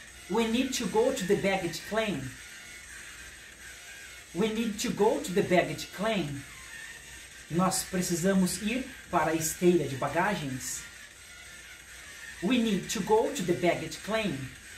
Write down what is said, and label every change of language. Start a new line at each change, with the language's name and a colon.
English: We need to go to the baggage claim. We need to go to the baggage claim.
Portuguese: Nós precisamos ir para a esteira de bagagens.
English: We need to go to the baggage claim.